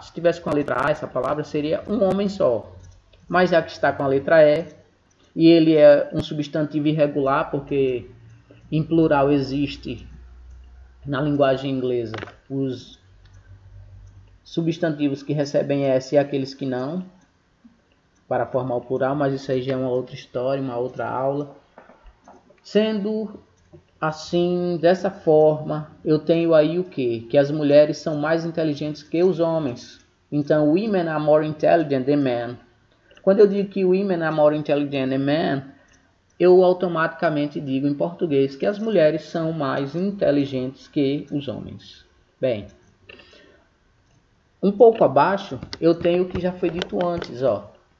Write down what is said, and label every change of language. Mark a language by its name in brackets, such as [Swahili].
[Portuguese] Se tivesse com a letra A, essa palavra seria um homem só. Mas já que está com a letra E, e ele é um substantivo irregular, porque em plural existe na linguagem inglesa os substantivos que recebem S e aqueles que não, para formar o plural, mas isso aí já é uma outra história, uma outra aula. Sendo assim, dessa forma, eu tenho aí o quê? Que as mulheres são mais inteligentes que os homens. Então, [English] women are more intelligent than men. [Portuguese] Quando eu digo que [English] women are more intelligent than men, [Portuguese] eu automaticamente digo em português que as mulheres são mais inteligentes que os homens. Bem, um pouco abaixo, eu tenho o que já foi dito antes, ó.